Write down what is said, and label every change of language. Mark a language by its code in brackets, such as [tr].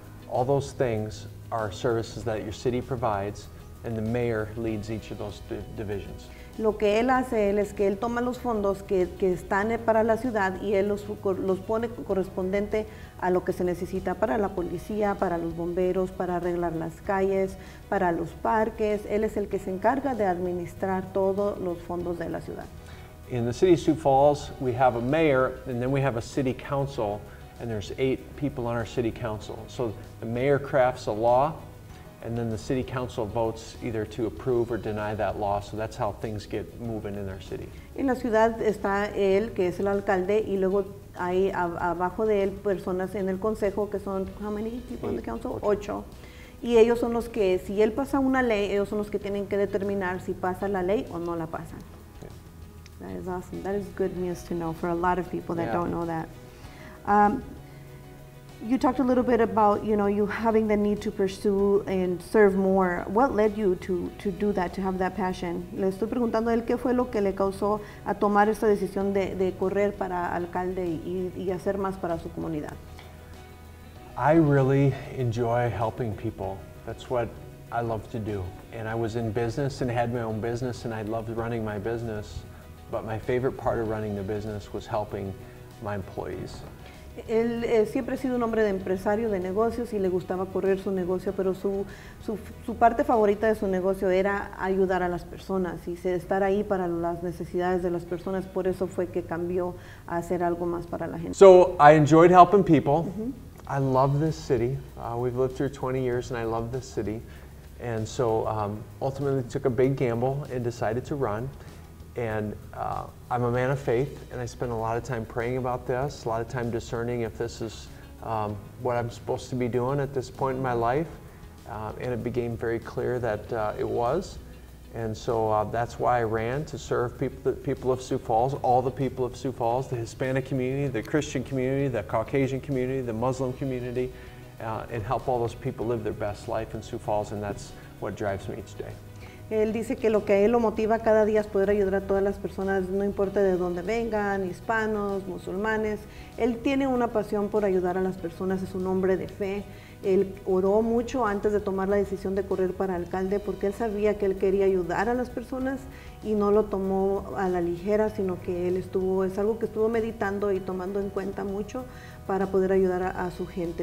[en] All those things are services that your city provides, and the mayor leads each of those divisions. [es] Lo que él hace es que él toma los fondos que están para la ciudad y él los pone correspondiente a lo que se necesita para la policía, para los bomberos, para arreglar las calles, para los parques. Él es el que se encarga de administrar todos los fondos de la ciudad. [en] In the city of Sioux Falls, we have a mayor, and then we have a city council. And there's 8 people on our city council. So the mayor crafts a law, and then the city council votes either to approve or deny that law. So that's how things get moving in our city. [es] En la ciudad está él, que es el alcalde, y luego hay abajo de él personas en el consejo, que son, [en] how many people In the council? 8. [es] Y ellos son los que, si él pasa una ley, ellos son los que tienen que determinar si pasa la ley o no la pasan. [en] Yeah. That is awesome. That is good news to know for a lot of people that don't know that. You talked a little bit about, you know, you having the need to pursue and serve more. What led you to do that, to have that passion? [es] Le estoy preguntando a él qué fue lo que le causó a tomar esta decisión de correr para alcalde y hacer más para su comunidad. [en] I really enjoy helping people. That's what I love to do. And I was in business and had my own business and I loved running my business. But my favorite part of running the business was helping my employees. [es] Él siempre ha sido un hombre de empresario, de negocios, y le gustaba correr su negocio, pero su parte favorita de su negocio era ayudar a las personas y estar ahí para las necesidades de las personas. Por eso fue que cambió a hacer algo más para la gente. [en] So, I enjoyed helping people. Mm-hmm. I love this city. We've lived here 20 years, and I love this city. And so, ultimately, took a big gamble and decided to run. And I'm a man of faith, and I spend a lot of time praying about this, a lot of time discerning if this is what I'm supposed to be doing at this point in my life. And it became very clear that it was. And so that's why I ran, to serve the people of Sioux Falls, all the people of Sioux Falls, the Hispanic community, the Christian community, the Caucasian community, the Muslim community, and help all those people live their best life in Sioux Falls, and that's what drives me each day. [es] Él dice que lo que a él lo motiva cada día es poder ayudar a todas las personas, no importa de dónde vengan, hispanos, musulmanes. Él tiene una pasión por ayudar a las personas, es un hombre de fe. Él oró mucho antes de tomar la decisión de correr para alcalde porque él sabía que él quería ayudar a las personas y no lo tomó a la ligera, sino que él estuvo, es algo que estuvo meditando y tomando en cuenta mucho para poder ayudar a su gente.